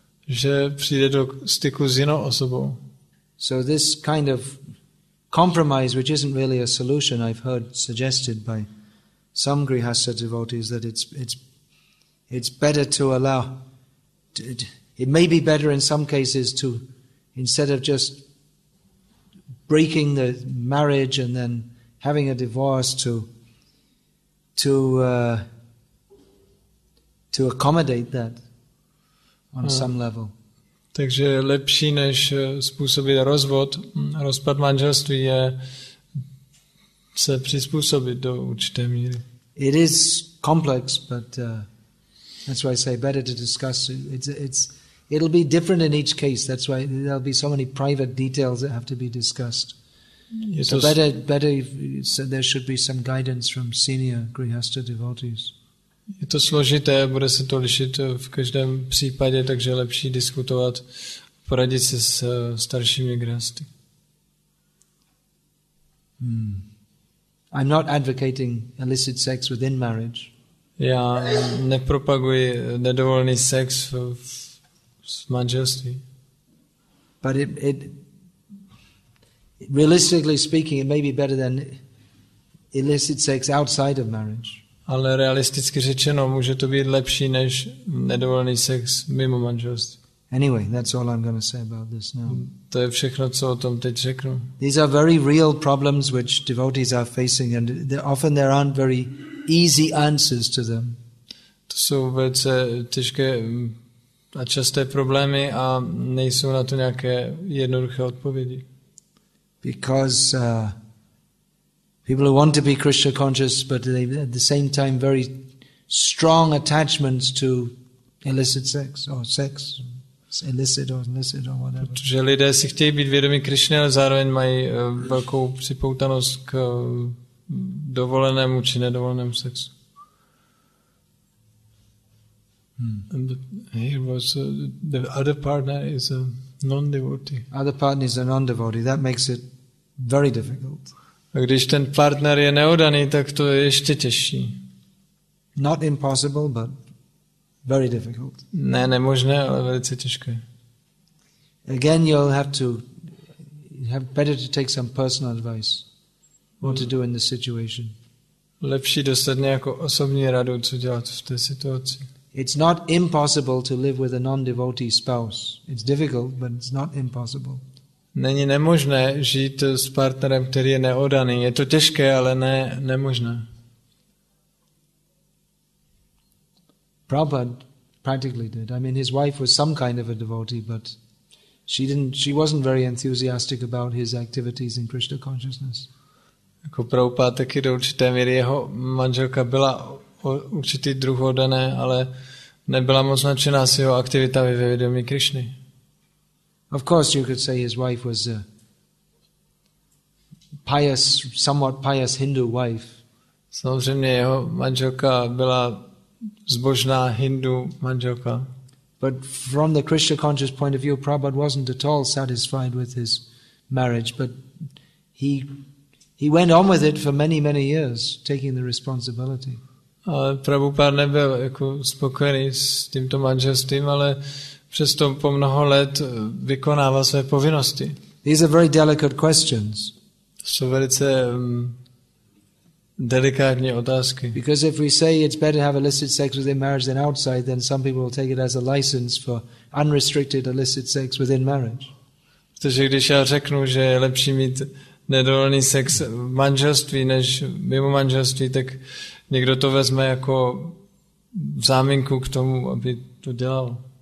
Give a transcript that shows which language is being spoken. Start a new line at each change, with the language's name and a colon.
Czech: že přijde do styku s jinou osobou.
English: So this kind of compromise, which isn't really a solution, I've heard suggested by some Grihastha devotees that it's better to allow. It may be better in some cases to, instead of just breaking the marriage and then having a divorce, to accommodate that on some level.
Czech: Takže lepší než způsobit rozvod, rozpad manželství je se přizpůsobit do určité míry.
English: It is complex, but that's why I say better to discuss. It'll be different in each case. That's why there'll be so many private details that have to be discussed. So better if so there should be some guidance from senior Grihastha devotees.
Czech: Je to složité, bude se to lišit v každém případě, takže je lepší diskutovat, poradit se s staršími grihasty.
English: I'm not advocating illicit sex within marriage.
Czech: Já nepropaguji nedovolený sex v manželství.
English: But it realistically speaking, it may be better than illicit sex outside of marriage.
Czech: Ale realisticky řečeno, může to být lepší než nedovolený sex mimo manželství.
English: Anyway, that's all I'm going to say about this now.
Czech: To je všechno, co o tom teď řeknu.
English: These are very real problems which devotees are facing, and often there aren't very easy answers to them.
Czech: To jsou velice těžké a časté problémy a nejsou na to nějaké jednoduché odpovědi.
English: Because people who want to be Krishna conscious, but they at the same time very strong attachments to illicit sex or sex, illicit or whatever.
Czech: Protože lidé si chtějí být vědomí Krishna, ale zároveň mají velkou připoutanost k dovolenému či nedovolenému sexu.
English: The other partner is a non-devotee. Other partner is a non-devotee. That makes it very difficult.
Czech: A když ten partner je neodaný, tak to je ještě těžší.
English: Not impossible, but very difficult.
Czech: Ne, nemožné, ale velice těžké.
English: Again, you'll have better to take some personal advice what to do in the situation.
Czech: Lepší dostat nějakou osobní radu, co dělat v té situaci.
English: It's not impossible to live with a non-devotee spouse. It's difficult, but it's not impossible.
Czech: Není nemožné žít s partnerem, který je neodaný. Je to těžké, ale ne nemožné.
English: Prabhupada practically did. I mean, his wife was some kind of a devotee, but she wasn't very enthusiastic about his activities in Krishna consciousness.
Czech: Jako Prabhupada taky do určité míry jeho manželka byla určitý druh odané, ale nebyla moc nadšená s jeho aktivitami ve vědomí Krišny.
English: Of course, you could say his wife was a pious, somewhat pious Hindu wife.
Czech: Samozřejmě jeho manželka byla zbožná Hindu manželka.
English: But from the Krishna conscious point of view, Prabhupada wasn't at all satisfied with his marriage. But he went on with it for many, many years, taking the responsibility.
Czech: Ale Prabhupada nebyl jako spokojený s tímto manželstvím, ale přesto po mnoho let vykonává své povinnosti.
English: These are very delicate questions.
Czech: Jsou velice delikátní otázky.
English: Because if we say it's better to have illicit sex within marriage than outside, then some people will take it as a license for unrestricted illicit sex within marriage.
Czech: Protože když já řeknu, že je lepší mít nedovolený sex v manželství než mimo manželství, tak někdo to vezme jako záminku k tomu, aby to dělal.